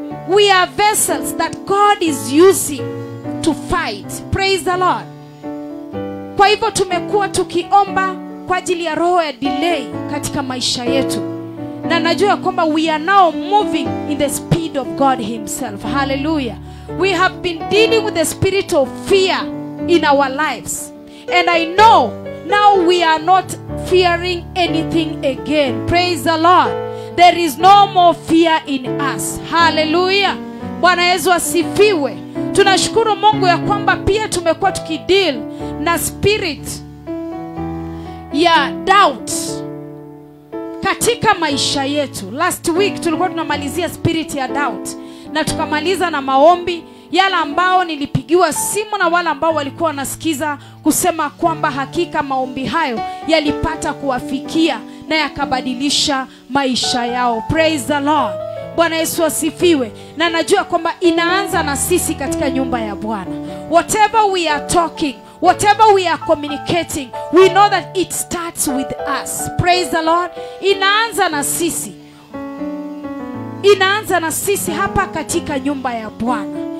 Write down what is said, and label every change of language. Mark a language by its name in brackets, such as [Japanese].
[English] We are vessels that God is using to fight. Praise the Lord. [Swahili] Kwa hivyo tumekuwa tukiomba kwa ajili ya roho ya delay katika maisha yetu. Na najua kwamba [English] we are now moving in the speed of God himself. Hallelujah. We have been dealing with the spirit of fear in our lives. And I know now we are not fearing anything again. Praise the Lord. There is no more fear in us. [Swahili] Hallelujah. Bwana Yesu asifiwe. Tunashukuru Mungu ya kwamba pia tumekuwa tukideal na spirit ya doubt katika maisha yetu. [English] Last week [Swahili] tulikuwa tunamalizia spirit ya doubt, na tukamaliza na maombi yale ambao nilipigiwa simu na wale ambao walikuwa wanasikiza kusema kwamba hakika maombi hayo yalipata kuwafikia na yakabadilisha maisha yao. [English] Praise the Lord. [Swahili] Bwana Yesu asifiwe. Na najua kwamba inaanza na sisi katika nyumba ya Bwana. [English] Whatever we are talking, whatever we are communicating, we know that it starts with us. Praise the Lord. [Swahili] Inaanza na sisi. Inaanza na sisi hapa katika nyumba ya Bwana.